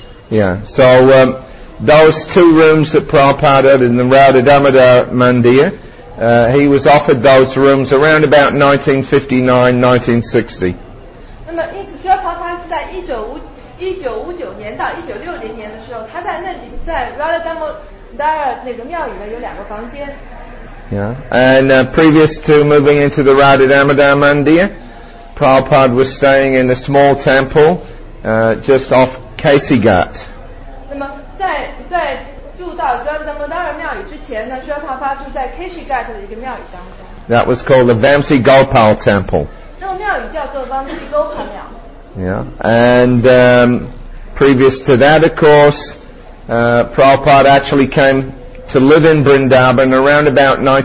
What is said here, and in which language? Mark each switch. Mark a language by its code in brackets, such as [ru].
[en] Yeah, so those two rooms that Prabhupada had in the Radhadamada Mandir, he was offered those rooms around about 1959, 1960. [zh] 那么因此宣帕帕是在1959年到1960年的时候，他在那里在 Radhadamodara 那个庙宇呢有两个房间。 [en] Yeah, and previous to moving into the Radhadamada Mandir, Prabhupada was staying in a small temple just off Kasigat. [zh] 那么在住到 Radhadamodara 庙宇之前呢，宣帕帕住在 Kasigat 的一个庙宇当中。 [en] That was called the Vamsi Gopal Temple. [zh] 那个庙宇叫做 Vamsi Gopal 庙。 [en] Yeah, and previous to that, of course, Prabhupada actually came to live in Vrindavan around about